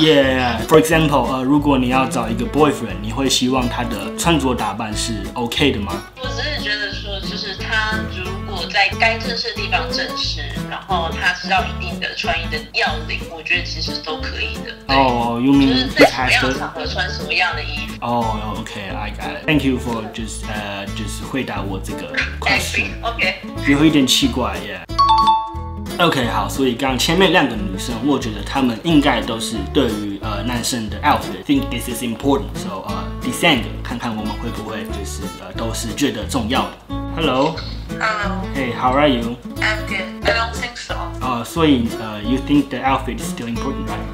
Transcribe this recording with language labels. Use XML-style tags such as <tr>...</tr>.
<en>Yeah， for example，</en> <zh>如果你要找一个 boyfriend， 你会希望他的穿着打扮是 OK 的吗？我只是觉得说，就是他如果在该正式的地方正式，然后他知道一定的穿衣的要领，我觉得其实都可以的。</zh> <en>哦、you mean</en> <zh>就是在什么样的场合穿什么样的衣服？</zh> <en>哦、okay, I got it. Thank you for just</en> <zh>回答我这个</zh> <en>question. Okay.</en> <zh>有一点奇怪 ，</zh> <en>Yeah.</en> <zh>Okay, 好，所以刚前面两个女生，我觉得她们应该都是对于男生的 outfit</zh> <en>think this is important. So</en> <zh>第三个，看看我们会不会就是都是觉得重要的。</zh> <en>Hello. Hello. Hey, how are you? I'm good. I don't think so.</en> <zh>所以</zh> <en>you think the outfit is still important, right?</en>